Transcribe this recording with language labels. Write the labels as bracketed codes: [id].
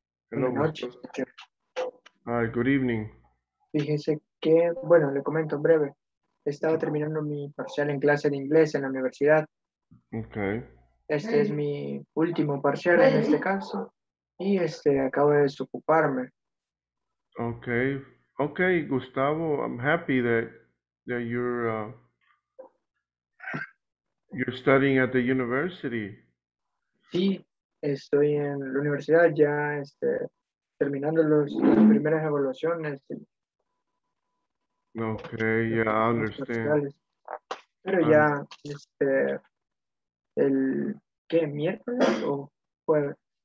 [en] Hello, teacher. Hi, good evening. [es] Fíjese que, bueno, le comento en breve. He estado terminando mi parcial en clase de inglés en la universidad. [en] Okay. [es] Este es mi último parcial en este caso. Y este, acabo de desocuparme. [en] Okay. Okay, Gustavo, I'm happy that you're studying at the university. [es] Sí, estoy en la universidad ya este, terminando las primeras evaluaciones. [en] Okay, yeah, I understand. [es] Pero ya este el qué miércoles o jueves.